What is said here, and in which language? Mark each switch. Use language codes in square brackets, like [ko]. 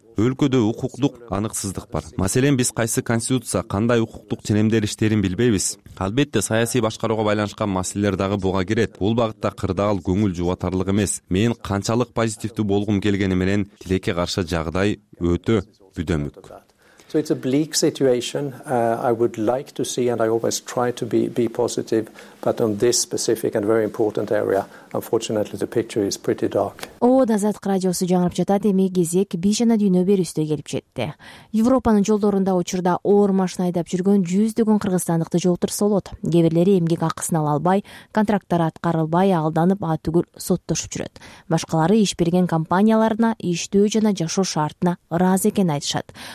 [ky] Өлкөдө укуктук аныксыздык бар. Маселен, биз кайсы конституция, кандай укуктук ченемдер иштерин билбейбиз. Албетте, саясий башкарууга байланышкан маселелер дагы буга кирет. Бул багытта кырдаал көңүл жубатарлык эмес. Мен канчалык позитивдүү болгум келгени менен тилекке каршы жагдай өтө бүдөмүк. [en] So it's a bleak situation. I would like to see, and I always try to be positive, but on this specific and very important area, unfortunately, the picture is pretty dark. [ky] ООД Азаттык радиосу жаңырып жатат. Эми кезек бий жана дүйнө берүүсүнө келип жетти. Европанын жолдорунда учурда оор машина айдап жүргөн жүздөгөн кыргызстандыкты жолтурсолот. Кээ бирлери эмгек акысын ала албай, контракттары аткарылбай, алданып, атүгүл соттошуп жүрөт. Башкалары иш берген компанияларына иштөө жана жашоо шартына ыраазы экенин айтышат.